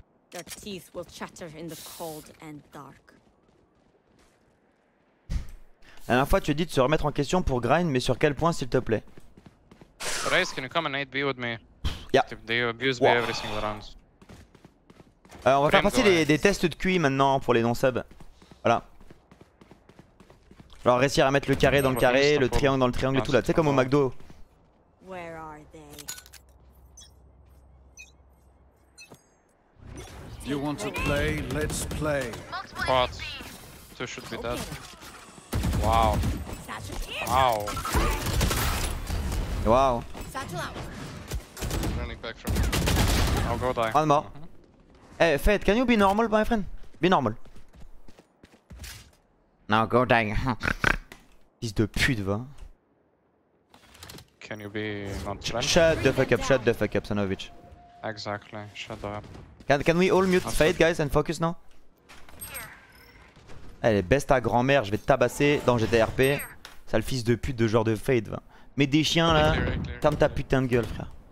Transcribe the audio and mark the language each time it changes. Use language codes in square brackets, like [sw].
[en] Their teeth will chatter in the cold and dark. [fr] La dernière fois, tu as dit de se remettre en question pour grind, mais sur quel point, s'il te plaît? [en] Race, can you come and aid me with me? Yeah. They abuse me every single round. [fr] On va faire passer des tests de QI maintenant pour les non-subs. Voilà. Genre réussir à mettre le carré dans le carré, le triangle dans le triangle et tout là, tu sais, comme au McDo. [en] Where are they? You want to play? Let's play. What? So should be dead. Wow. Running back from. I'll go die. One more. Hey, Fate, can you be normal, my friend? Be normal. Now go dang. [fr] Fils de pute, va. [en] Can you be not shut the fuck up, Sanovic. Exactly, shut up. Can we all mute Fate, guys, and focus now? [fr] Elle est best à grand-mère, je vais te tabasser dans GTRP. Sale fils de pute de joueur de Fate, va. Mais des chiens là, ferme ta putain de gueule, frère.